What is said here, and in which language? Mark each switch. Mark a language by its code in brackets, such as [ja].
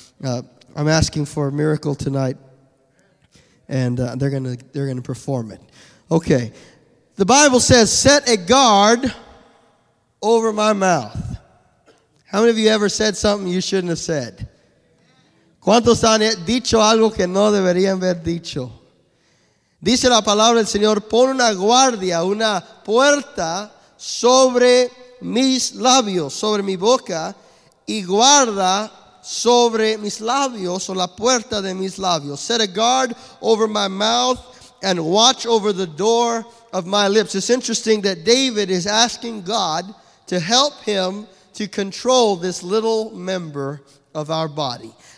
[en] I'm asking for a miracle tonight, and they're gonna perform it. Okay. The Bible says, set a guard over my mouth. How many of you ever said something you shouldn't have said? [es] ¿Cuántos han dicho algo que no deberían haber dicho? Dice la palabra del Señor, pon una guardia, una puerta sobre mis labios, sobre mi boca, y guarda sobre mis labios, o la puerta de mis labios. [en] Set a guard over my mouth and watch over the door of my lips. It's interesting that David is asking God to help him to control this little member of our body.